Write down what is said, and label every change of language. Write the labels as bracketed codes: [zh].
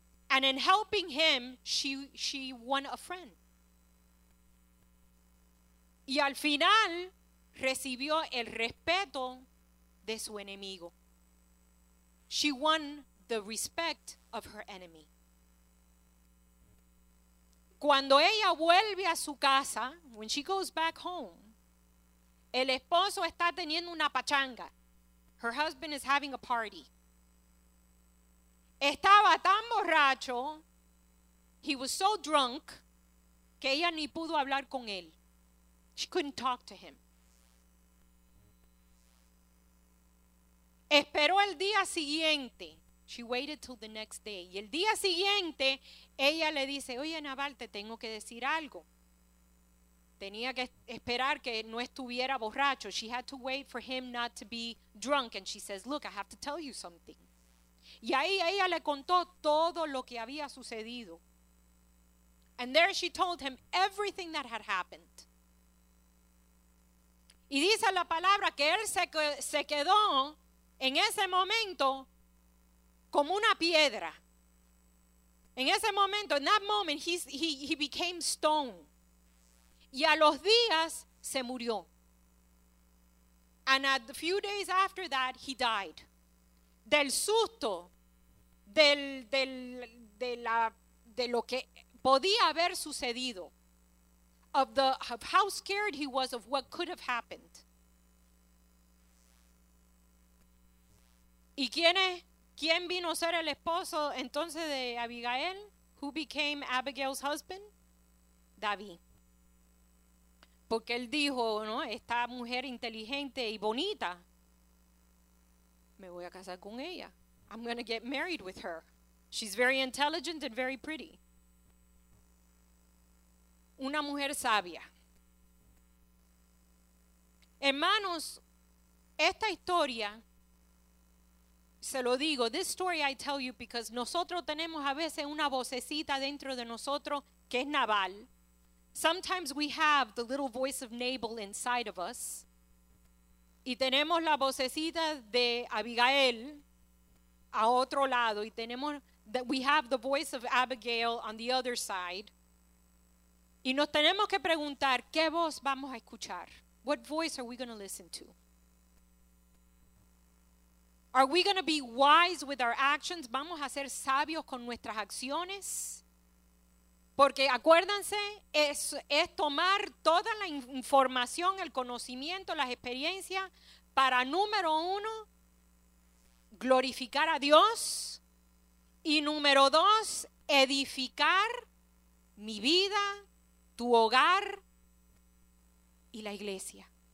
[en] And in helping him, she won a friend. [es] Y al final, recibió el respeto de su enemigo. [en] She won the respect of her enemy. [es] Cuando ella vuelve a su casa, [en] when she goes back home, [es] el esposo está teniendo una pachanga. [en] Her husband is having a party. [es] Estaba tan borracho, [en] he was so drunk, [es] que ella ni pudo hablar con él. [en] She couldn't talk to him. [es] Esperó el día siguiente. [en] She waited till the next day. [es] Y el día siguiente, ella le dice: oye, Nabal, te tengo que decir algo. Tenía que esperar que no estuviera borracho. [en] She had to wait for him not to be drunk. And she says, look, I have to tell you something. [es] Y ahí ella le contó todo lo que había sucedido. [en] And there she told him everything that had happened. [es] Y dice la palabra que él se quedó en ese momento como una piedra. En ese momento, [en] in that moment, he became stone. [es] Y a los días se murió. [en] And at a few days after that, he died. [es] Del susto, de lo que podía haber sucedido. [en] Of how scared he was of what could have happened. [es] ¿Y quién vino a ser el esposo entonces de Abigail? [en] Who became Abigail's husband? David. [es] Porque él dijo, ¿no? Esta mujer inteligente y bonita, me voy a casar con ella. [en] I'm going to get married with her. She's very intelligent and very pretty. [es] Una mujer sabia. Hermanos, esta historia, se lo digo, [en] this story I tell you because [es] nosotros tenemos a veces una vocecita dentro de nosotros que es Nabal. [en] Sometimes we have the little voice of Nabal inside of us. [es] Y tenemos la vocecita de Abigail a otro lado. Y tenemos, [en] that we have the voice of Abigail on the other side. [es] Y nos tenemos que preguntar, ¿qué voz vamos a escuchar? [en] What voice are we going to listen to? Are we going to be wise with our actions? [es] ¿Vamos a ser sabios con nuestras acciones? Porque acuérdense, es tomar toda la información, el conocimiento, las experiencias para, número uno, glorificar a Dios, y número dos, edificar mi vida, tu hogar y la iglesia.